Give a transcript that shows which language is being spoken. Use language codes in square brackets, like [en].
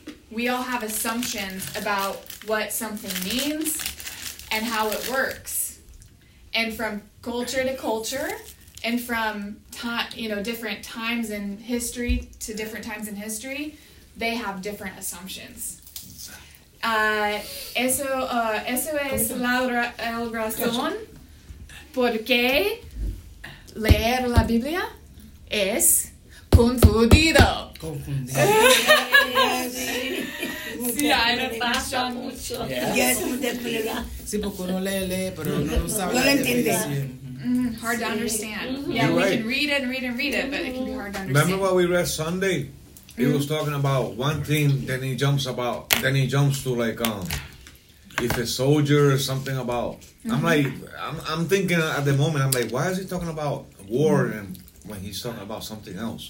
[en] We all have assumptions about what something means and how it works. And from culture to culture, and from different times in history to different times in history, they have different assumptions. [es] Eso es la razón por qué leer la Biblia es confundido. Sí, porque uno lee, pero no lo sabe. No lo entiende. [en] Hard to understand. Yeah, you're right. We can read it and read and read it, but it can be hard to understand. Remember what we read Sunday? He was talking about one thing, then he jumps about, then he jumps to like if a soldier or something about. Mm-hmm. I'm thinking at the moment, I'm like, why is he talking about war and when he's talking about something else?